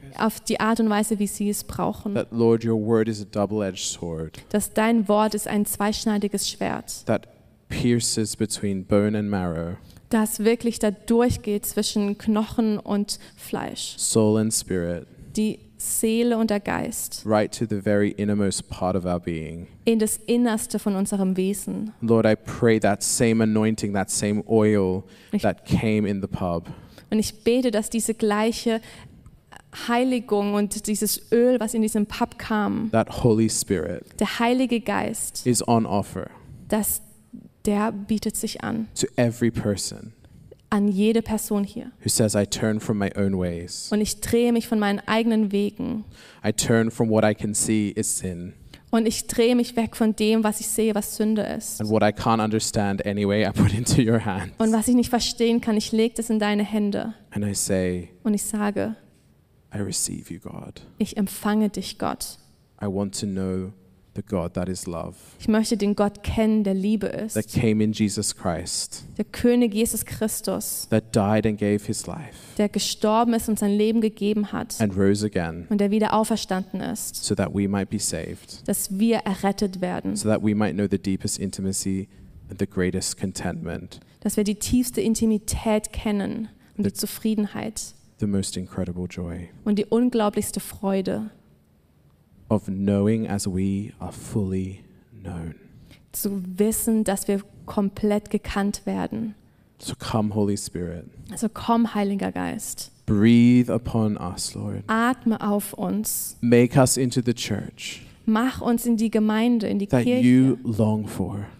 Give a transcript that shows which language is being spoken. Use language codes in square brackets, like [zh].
[de] Auf die Art und Weise, wie sie es brauchen. [en] That Lord, your word is a double-edged sword. [de] Dass dein Wort ist ein zweischneidiges Schwert. [en] That pierces between bone and marrow. [de] Das wirklich da durchgeht zwischen Knochen und Fleisch. [en] Soul and spirit. [de] Die Seele und der Geist. [en] Right to the very innermost part of our being. [de] In das Innerste von unserem Wesen. [en] Lord, I pray that same anointing, that same oil that came in the pub. [de] Und ich bete, dass diese gleiche Heiligung und dieses Öl, was in diesem Pub kam, [en] that Holy Spirit, [de] der Heilige Geist, [en] is on offer. [de] Dass der bietet sich an. [en] To every person. [de] An jede Person hier. [en] Who says, I turn from my own ways. [de] Und ich drehe mich von meinen eigenen Wegen. [en] I turn from what I can see is sin. [de] Und ich drehe mich weg von dem, was ich sehe, was Sünde ist. [en] And what I can't understand anyway, I put into your hands. [de] Und was ich nicht verstehen kann, ich lege das in deine Hände. [en] And I say, [de] und ich sage, [en] I receive you, God. [de] Ich empfange dich, Gott. [en] I want to know the God that is love. [de] Ich möchte den Gott kennen, der Liebe ist. [en] That came in Jesus Christ. [de] Der König Jesus Christus. [en] That died and gave his life. [de] Der gestorben ist und sein Leben gegeben hat. [en] And rose again. [de] Und der wieder auferstanden ist. [en] So that we might be saved. [de] Dass wir errettet werden. [en] So that we might know the deepest intimacy and the greatest contentment. [de] Dass wir die tiefste Intimität kennen und die Zufriedenheit. [en] The most incredible joy. [de] Und die unglaublichste Freude. [en] Of knowing as we are fully known. [de] Zu wissen, dass wir komplett gekannt werden. [en] So come, Holy Spirit. [de] Also komm, Heiliger Geist. [en] Breathe upon us, Lord. [de] Atme auf uns. [en] Make us into the church. [de] Mach uns in die Gemeinde, in die [en] that [de] Kirche. [en] That you long for.